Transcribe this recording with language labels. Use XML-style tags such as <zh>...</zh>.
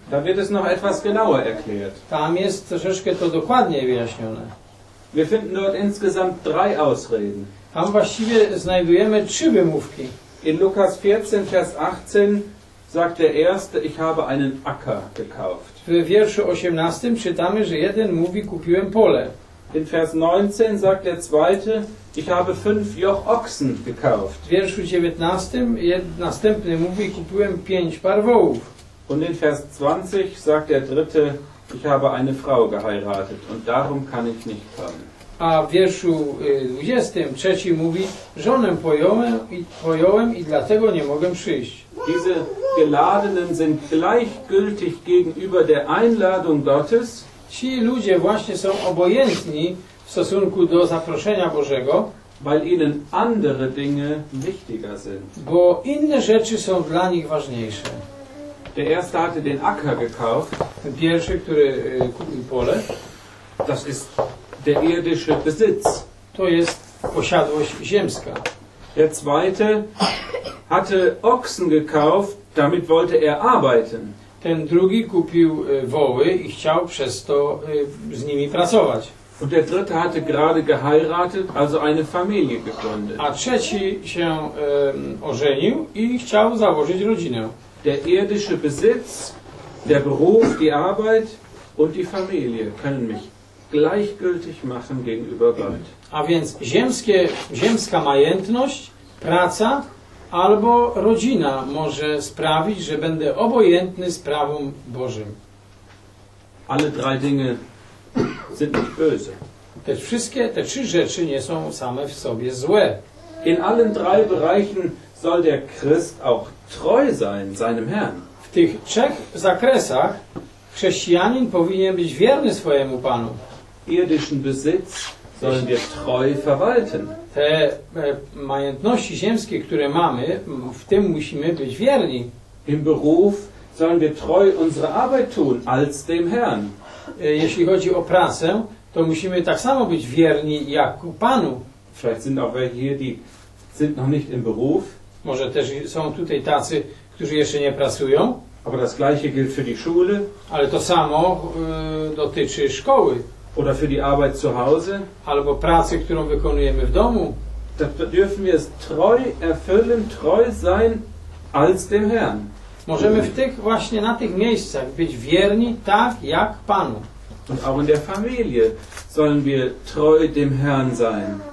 <de>da wird es noch etwas genauer erklärt.</de> <pl>Tam jest troszeczkę to dokładnie wyjaśnione.</pl> <de>Wir finden dort insgesamt 3 Ausreden.</de> <pl>Tam właściwie znajdujemy 3 wymówki.</pl> <de>In Lukas 14, Vers 18 sagt der erste, ich habe einen Acker gekauft.</de> <pl>W wierszu 18 czytamy, że jeden mówi, kupiłem pole.</pl> <de>In Vers 19 sagt der zweite, ich habe 5 Joch-Ochsen gekauft.</de> <pl>W wierszu 19 następny mówi, kupiłem 5 par wołów.</pl> <de>Und in Vers 20 sagt der dritte, ich habe eine Frau geheiratet und darum kann ich nicht kommen.</de> <pl>A w wierszu 20 trzeci mówi, żonę pojąłem i dlatego nie mogę przyjść.</pl> <de>Diese Geladenen sind gleichgültig gegenüber der Einladung Gottes.</de> <pl>Ci ludzie właśnie są obojętni w stosunku do zaproszenia Bożego,</pl> <de>weil ihnen andere Dinge wichtiger sind.</de> <pl>Bo inne rzeczy są dla nich ważniejsze.</pl> <de>Der erste hatte den Acker gekauft.</de> <pl>Ten pierwszy, który kupił pole.</pl> <de>Das ist der irdische Besitz.</de> <pl>To jest posiadłość ziemska.</pl> <de>Der zweite hatte Ochsen gekauft, damit wollte er arbeiten.</de> <pl>Ten drugi kupił woły i chciał przez to z nimi pracować.</pl> <de>Und der dritte hatte gerade geheiratet, also eine Familie gegründet.</de> <pl>A trzeci się ożenił i chciał założyć rodzinę.</pl> <de>Der irdische Besitz, der Beruf, die Arbeit und die Familie können mich gleichgültig machen gegenüber Gott.</de> <pl>A więc ziemska majętność, praca albo rodzina może sprawić, że będę obojętny sprawom Bożym.</pl> <de>Alle drei Dinge sind nicht böse.</de> <pl>Te trzy rzeczy nie są same w sobie złe.</pl> <de>In allen drei Bereichen soll der Christ auch treu sein seinem Herrn.</de> <pl>W tych trzech zakresach chrześcijanin powinien być wierny swojemu Panu.</pl> <de>Irdischen Besitz sollen wir treu verwalten.</de> <pl>Te majątności ziemskie, które mamy, w tym musimy być wierni.</pl> <de>Im Beruf sollen wir treu unsere Arbeit tun als dem Herrn.</de> <pl>Jeśli chodzi o pracę, to musimy tak samo być wierni jak Panu.</pl> <de>Vielleicht sind auch welche hier, die sind noch nicht im Beruf.</de> <pl>Może też są tutaj tacy, którzy jeszcze nie pracują.</pl> <de>Aber das gleiche gilt für die Schule.</de> <pl>Ale to samo dotyczy szkoły.</pl> <de>Oder für die Arbeit zu Hause.</de> <pl>Albo pracy, którą wykonujemy w domu.</pl> <de>Da dürfen wir es treu erfüllen, treu sein als dem Herrn.</de> <pl>Możemy w tych właśnie na tych miejscach być wierni tak jak Panu.</pl> <de>Und auch in der Familie sollen wir treu dem Herrn sein.</de>